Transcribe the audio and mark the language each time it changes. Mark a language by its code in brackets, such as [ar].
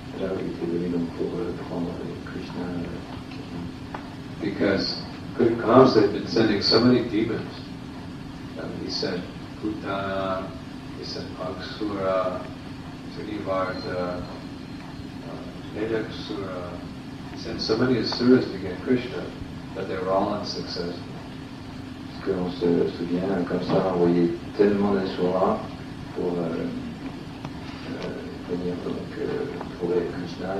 [fr] Là, il était venu donc pour prendre Krishna. [en] Because Guru Kamsa had been sending so many demons. He sent Bhutana, he sent Aksura, Trinivarta, Nedaksura. He sent so many Asuras to get Krishna, but they were all unsuccessful. [fr] Ce que l'on se souvient, Kamsa a envoyé tellement d'Asuras pour venir donc trouver Krishna.